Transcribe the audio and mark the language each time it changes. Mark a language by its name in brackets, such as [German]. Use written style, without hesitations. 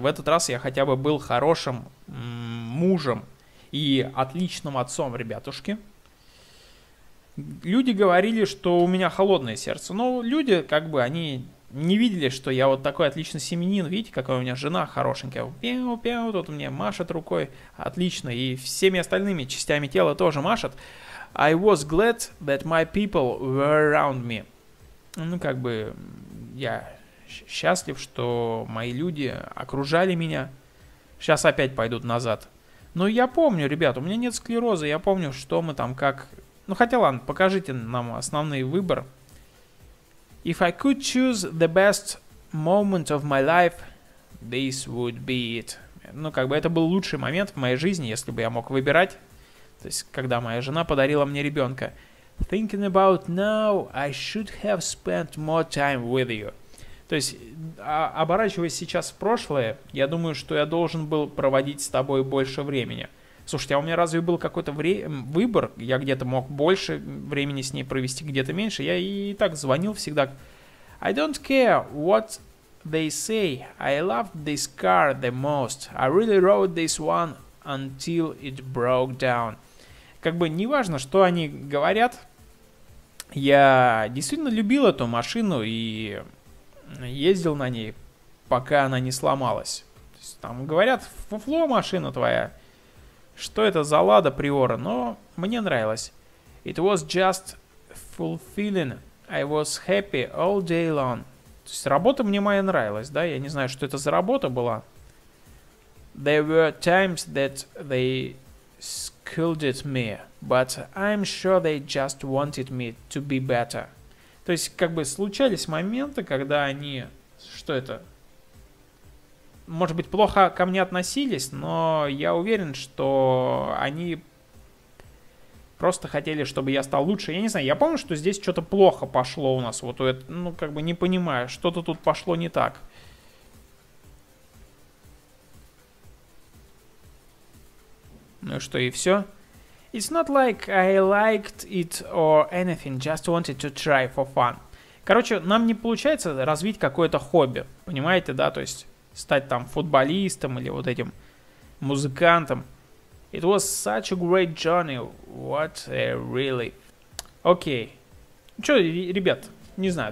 [Russian] В этот раз я хотя бы был хорошим мужем и отличным отцом, ребятушки. Люди говорили, что у меня холодное сердце. Но люди, как бы, они не видели, что я вот такой отличный семьянин. Видите, какая у меня жена хорошенькая. Пиу-пиу, тут мне машет рукой. Отлично. И всеми остальными частями тела тоже машет. [English] I was glad that my people were around me. [Russian] Ну, как бы, я счастлив, что мои люди окружали меня. Сейчас опять пойдут назад. Но я помню, ребят, у меня нет склероза. Я помню, что мы там как... Ну, хотя ладно, покажите нам основной выбор. [English] If I could choose the best moment of my life, this would be it. [Russian] Ну, как бы это был лучший момент в моей жизни, если бы я мог выбирать. То есть, когда моя жена подарила мне ребенка. [English] Thinking about now, I should have spent more time with you. [Russian] То есть, оборачиваясь сейчас в прошлое, я думаю, что я должен был проводить с тобой больше времени. Слушайте, а у меня разве был какой-то выбор? Я где-то мог больше времени с ней провести, где-то меньше. Я и так звонил всегда. [English] I don't care what they say. I loved this car the most. I really rode this one until it broke down. [Russian] Как бы неважно, что они говорят. Я действительно любил эту машину и ездил на ней, пока она не сломалась. То есть, там говорят, фуфло машина твоя. Что это за Лада Приора? Но мне нравилось. [English] It was just fulfilling. I was happy all day long. [Russian] То есть работа мне моя нравилась, да? Я не знаю, что это за работа была. [English] There were times that they scolded me. But I'm sure they just wanted me to be better. [Russian] То есть как бы случались моменты, когда они... Что это? Может быть, плохо ко мне относились, но я уверен, что они просто хотели, чтобы я стал лучше. Я не знаю, я помню, что здесь что-то плохо пошло у нас. Вот, ну, как бы не понимаю, что-то тут пошло не так. Ну и что, и все? [English] It's not like I liked it or anything, just wanted to try for fun. [Russian] Короче, нам не получается развить какое-то хобби, понимаете, да, то есть... Стать там футболистом или вот этим музыкантом. [English] It was such a great journey. What a really... Окей. [Russian] Чё, ребят, не знаю.